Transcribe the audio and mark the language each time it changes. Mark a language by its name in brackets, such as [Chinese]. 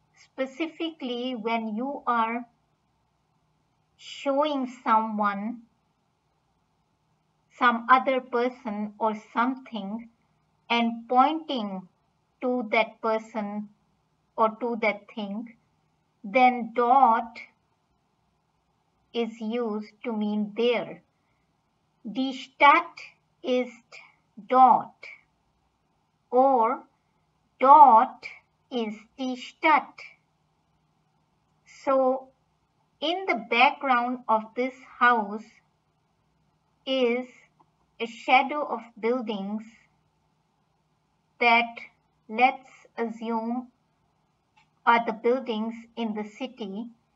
[English] Specifically, when you are showing someone, some other person or something, and pointing to that person or to that thing, then dort is used to mean there. [German] Die Stadt ist dort, or dort ist die Stadt. [English] So in the background of this house is a shadow of buildings that, let's assume, are the buildings in the city.